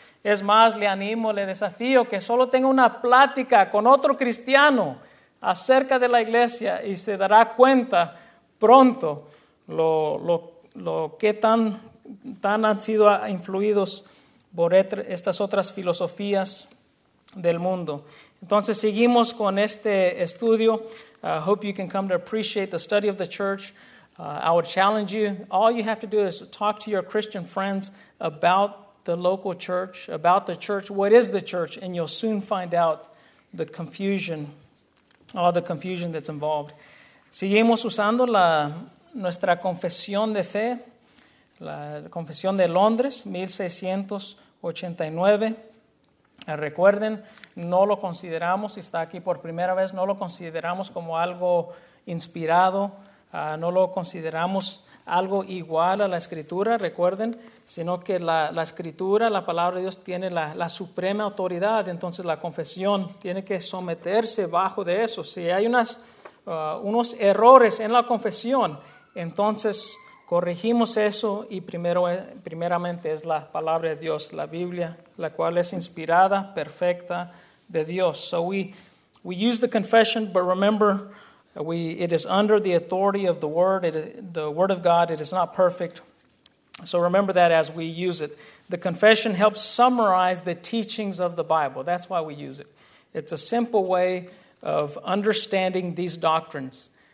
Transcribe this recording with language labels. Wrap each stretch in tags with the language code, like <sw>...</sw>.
<es>Es más, le animo, le desafío que solo tenga una plática con otro cristiano acerca de la iglesia y se dará cuenta pronto lo que tan han sido influidos por estas otras filosofías del mundo. Entonces seguimos con este estudio.</es> <en>I hope you can come to appreciate the study of the church. I would challenge you, all you have to do is talk to your Christian friends about the local church, about the church, what is the church, and you'll soon find out the confusion, all the confusion that's involved.</en> <es>Seguimos usando nuestra confesión de fe, la confesión de Londres, 1689. Recuerden, no lo consideramos, si está aquí por primera vez, no lo consideramos como algo inspirado, no lo consideramos algo igual a la Escritura, recuerden, sino que la Escritura, la Palabra de Dios, tiene la suprema autoridad. Entonces la confesión tiene que someterse bajo de eso. Si hay unos errores en la confesión, entonces corregimos eso, y primeramente es la Palabra de Dios, la Biblia, la cual es inspirada, perfecta, de Dios.</es> <en>So we use the confession, but remember, it is under the authority of the Word. The Word of God, it is not perfect. So remember that as we use it. The confession helps summarize the teachings of the Bible. That's why we use it. It's a simple way of understanding these doctrines.</en>